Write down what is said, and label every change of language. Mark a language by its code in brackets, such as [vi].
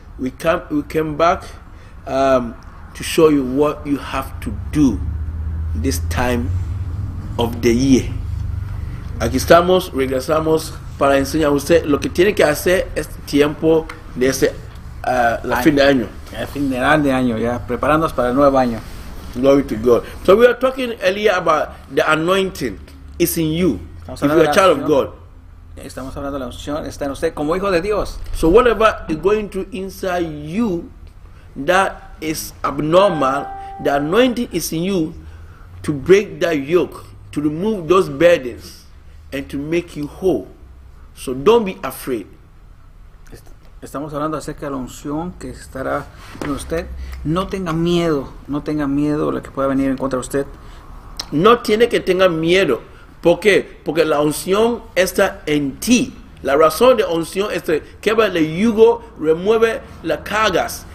[en] We came back to show you what you have to do this time of the year. [es] Aquí estamos, regresamos para enseñar a usted lo que tiene que hacer este tiempo de este fin de año. Fin de año, ya, preparándonos para el nuevo año. [en] Glory to God. So we are talking earlier about the anointing is in you. If you are a child of God. [es] Estamos hablando de la unción, está en usted como hijo de Dios. [en] So whatever is going to inside you that is abnormal, the anointing is in you to break that yoke, to remove those burdens, and to make you whole. So don't be afraid. [es] Estamos hablando acerca de la unción que estará en usted. No tenga miedo, no tenga miedo lo que pueda venir en contra de usted. No tiene que tener miedo. ¿Por qué? Porque la unción está en ti. La razón de unción es que va el yugo, remueve las cargas.